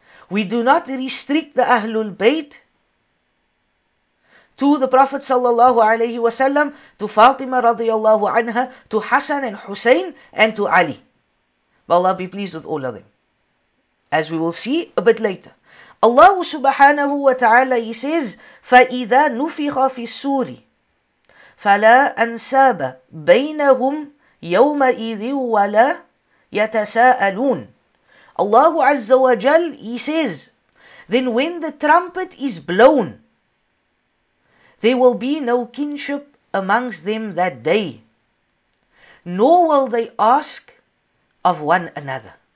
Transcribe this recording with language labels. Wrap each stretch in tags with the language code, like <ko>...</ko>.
<en>We do not restrict the Ahlul Bayt to the Prophet sallallahu alayhi wa sallam, to Fatima radiallahu anha, to Hassan and Hussein, and to Ali. May Allah be pleased with all of them. As we will see a bit later. Allah subhanahu wa ta'ala, He says,</en> <ar>فَإِذَا نُفِخَ فِي السُّورِ فَلَا أَنْسَابَ بَيْنَهُمْ يَوْمَئِذِ وَلَا يَتَسَاءَلُونَ.</ar> <en>Allah Azza wa Jal, He says, then when the trumpet is blown, there will be no kinship amongst them that day, nor will they ask of one another.</en>